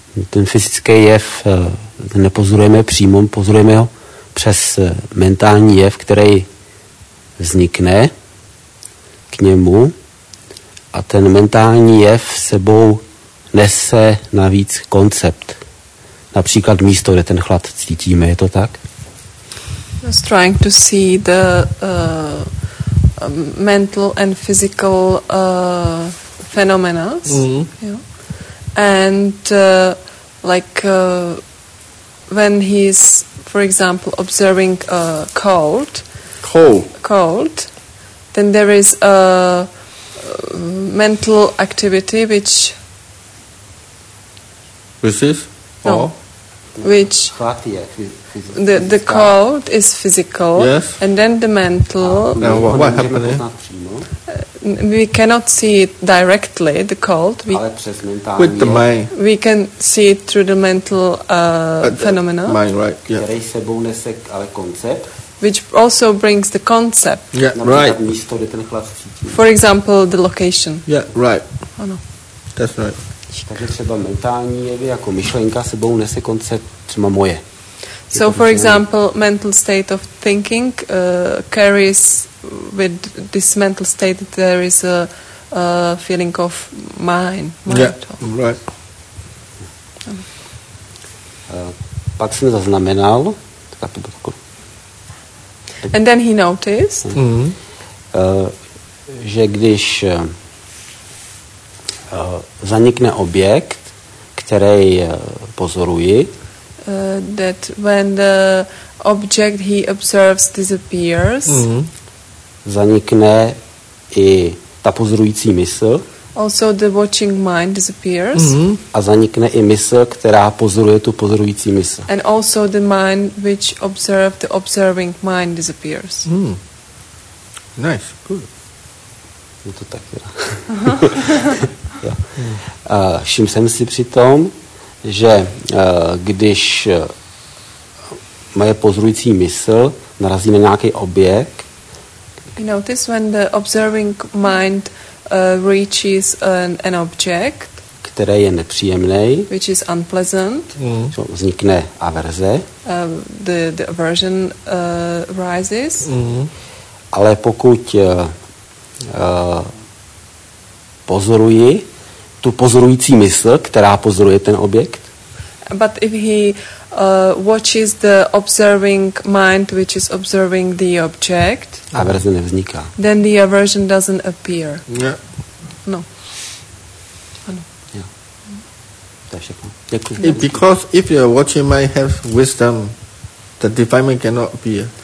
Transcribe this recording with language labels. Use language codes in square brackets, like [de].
[cs] Ten fyzický jev nepozorujeme přímo, pozorujeme ho přes mentální jev, který vznikne k němu. A ten mentální jev sebou nese navíc koncept. Například místo, kde ten chlad cítíme, je to tak? [en] I was trying to see the mental and physical phenomena. Mm-hmm. And like when he's, for example, observing a cold, then there is a mental activity which the cold is physical, yes. And then the mental. What happened there? We cannot see it directly, the cold. With the mind. We can see it through the mental phenomena. Mind, right, yeah. Which also brings the concept. Yeah, right. For example, the location. Yeah, right. Oh, no. That's right. [cs] Takže třeba mentální jevy jako myšlenka sebou nese koncept třeba moje. [en] So for example, mental state of thinking carries with this mental state that there is a feeling of mine. Yeah, right. [cs] Pak jsem zaznamenal, tak to bylo takové. [en] And then he noticed, [cs] že když zanikne objekt, který pozoruji. [en] That when the object he observes disappears, [cs] zanikne i ta pozorující mysl. [en] Also the watching mind disappears. [cs] A zanikne i mysl, která pozoruje tu pozorující mysl. [en] And also the mind which observes the observing mind disappears. Mm. Nice, good. [cs] Je to tak, jo. Všim jsem si přitom, že když moje pozorující mysl narazí na nějaký objekt. [en] You notice when the observing mind reaches an object, [cs] který je nepříjemný, [en] which is unpleasant, [cs] vznikne averze. [en] The aversion rises. [cs] Ale pokud pozoruji tu pozorující mysl, která pozoruje ten objekt. [en] But if he watches the observing mind, which is observing the object, [cs] averze nevzniká. [en] Then the aversion doesn't appear. Yeah. [cs] No. Ano. Yeah. To je všechno. Děkuji. [en] If, because if your watching mind have wisdom, the defilement cannot appear.